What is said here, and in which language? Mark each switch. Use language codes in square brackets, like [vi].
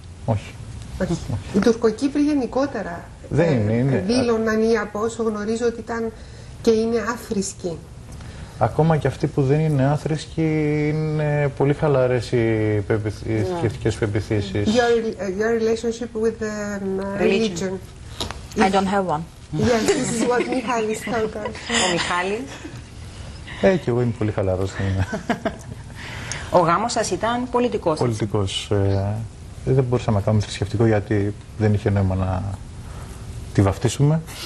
[el] Όχι. Οι Τουρκοκύπροι γενικότερα δήλωναν, ή από όσο γνωρίζω, ότι ήταν και είναι άθρησκοι. Ακόμα και αυτοί που δεν είναι άθρησκοι είναι πολύ χαλαρές οι θρησκευτικές πεπιθήσεις. [en] Your relationship with the religion. I don't have one. Yes, this is what Michal is talking. [el] Ο Μιχάλης. Και εγώ είμαι πολύ χαλαρός. Ο γάμος σας ήταν πολιτικός. Πολιτικός. Δεν μπορούσαμε να κάνουμε θρησκευτικό γιατί δεν είχε νόημα να τη βαφτίσουμε.